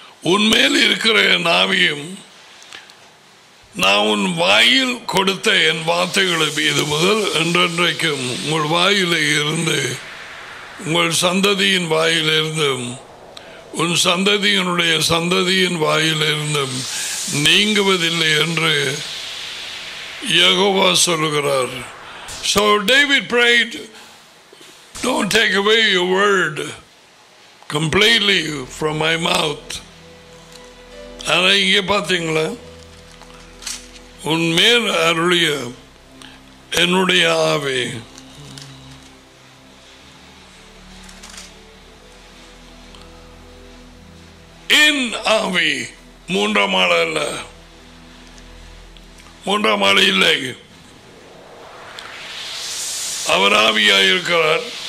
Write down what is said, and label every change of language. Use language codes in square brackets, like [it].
[ta] உன்மேல் இருக்கிற என் ஆவியும் நான் உன் வாயில் கொடுத்த என் வார்த்தைகளும் இது முதல் என்றென்றைக்கும் உங்கள் வாயில இருந்து உங்கள் சந்ததியின் வாயிலிருந்தும் உன் சந்ததியினுடைய சந்ததியின் வாயிலிருந்தும் நீங்குவதில்லை என்று யெகோவா சொல்கிறார். [en] So David prayed, don't take away your word completely from my mouth. [ta] ஆனால் இங்கே பார்த்தீங்களா, உன் மேல் அருளிய என்னுடைய ஆவி. ஆவி மூன்றாம் ஆள் அல்ல, மூன்றாம் ஆள் இல்லை, அவர் ஆவியாக இருக்கிறார்.